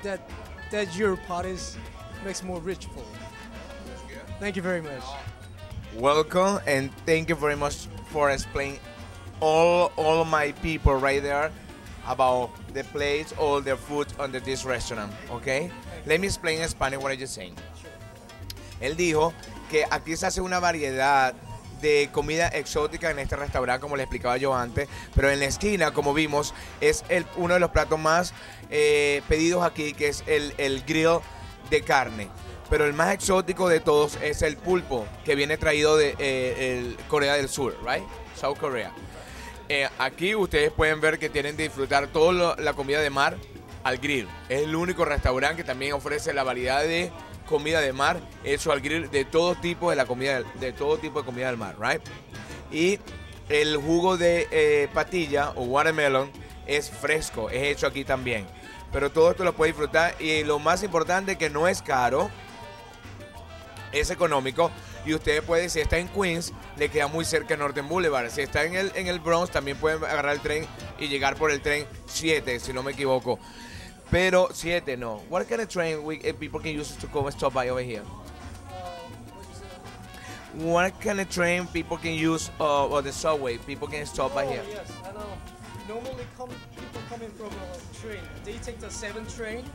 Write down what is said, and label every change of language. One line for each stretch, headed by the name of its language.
English: That your pot is makes more rich for it. Thank you very much. Welcome, and thank you very much for explaining all my people right there about the place, all the food under this restaurant. Okay, let me explain in Spanish what are you saying.
Spanish: Él dijo que aquí se hace una variedad de comida exótica en este restaurante, como le explicaba yo antes, pero en la esquina, como vimos, es uno de los platos más pedidos aquí, que es el grill de carne. Pero el más exótico de todos es el pulpo, que viene traído de Corea del Sur,
English: right? South Korea.
Spanish: Aquí ustedes pueden ver que tienen que disfrutar toda la comida de mar al grill. Es el único restaurante que también ofrece la variedad de comida de mar, eso al grill, de todo tipo de la comida, de todo tipo de comida del mar, right? Y el jugo de patilla o watermelon es fresco, es hecho aquí también, pero todo esto lo puedes disfrutar. Y lo más importante, que no es caro, es económico. Y ustedes pueden, si está en Queens, le queda muy cerca de Northern Boulevard. Si está en el Bronx, también pueden agarrar el tren y llegar por el tren 7, si no me equivoco. Pero siete, no.
English: What kind of train people can use to come stop by over here? What kind of train people can use, or the subway people can stop by here? Oh, yes, and normally people coming from a train, they take the 7 train.